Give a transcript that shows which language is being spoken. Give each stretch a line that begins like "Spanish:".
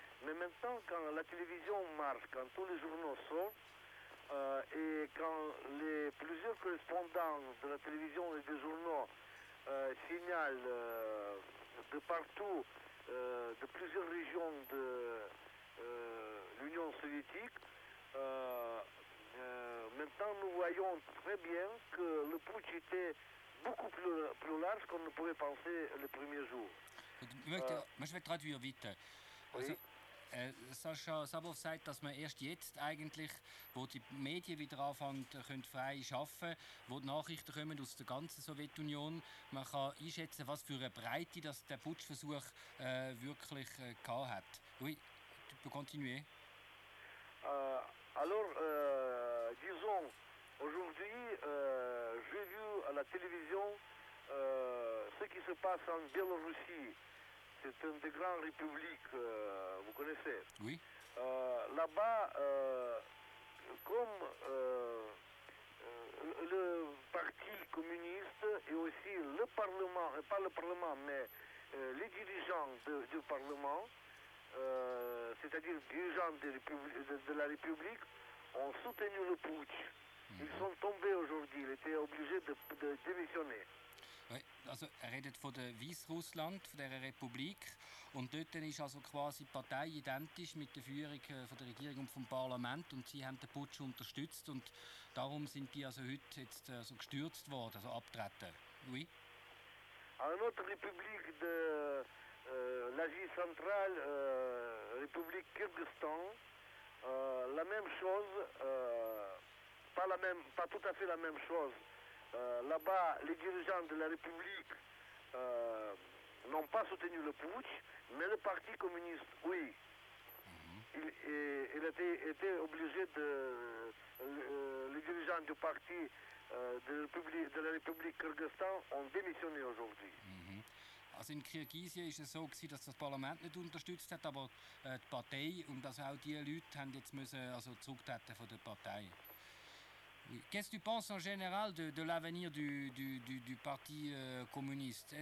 French: Mais maintenant, quand la télévision marche, quand tous les journaux sortent, et quand plusieurs correspondants de la télévision et des journaux signalent de partout, de plusieurs régions de l'Union soviétique, maintenant nous voyons très bien que le putsch était beaucoup plus large qu'on ne pouvait penser le premier jour. Moi je vais traduire vite. Oui.
German: Sascha Sabow sagt, dass man erst jetzt eigentlich, wo die Medien wieder anfangen können, frei arbeiten, wo die Nachrichten kommen aus der ganzen Sowjetunion, man kann einschätzen, was für eine Breite das der Putschversuch wirklich gehabt hat.
French: Oui, tu peux continuer. Alors, disons, aujourd'hui, j'ai vu à la télévision ce qui se passe en Biélorussie. C'est une des grandes républiques, vous connaissez. Oui. Là-bas, comme le parti communiste et aussi le parlement, pas le parlement, mais les dirigeants du parlement, c'est-à-dire dirigeants de la république, ont soutenu le putsch. Mmh. Ils sont tombés aujourd'hui, ils étaient obligés de démissionner.
German: Oui, also, er redet von der Weißrussland, von der Republik. Und dort ist also quasi die Partei identisch mit der Führung von der Regierung und vom Parlament. Und sie haben den Putsch unterstützt. Und darum sind die also heute jetzt also gestürzt worden, also abgetreten.
French: Oui?
German: Eine andere Republik, die
French: l'Asie Centrale,
German: Republik Kirgistan,
French: la même chose, pas tout à fait la même chose. Là-bas, les dirigeants de la République n'ont pas soutenu le putsch, mais le Parti communiste, oui. Il était obligé de... les dirigeants du Parti de la République Kyrgyzstan ont démissionné aujourd'hui.
German: Also in Kirgisien war es so, gewesen, dass das Parlament nicht unterstützt hat, aber die Partei und also auch die Leute haben jetzt müssen also zurücktreten von der Partei.
French: Qu'est-ce que tu penses en général de l'avenir du Parti communiste?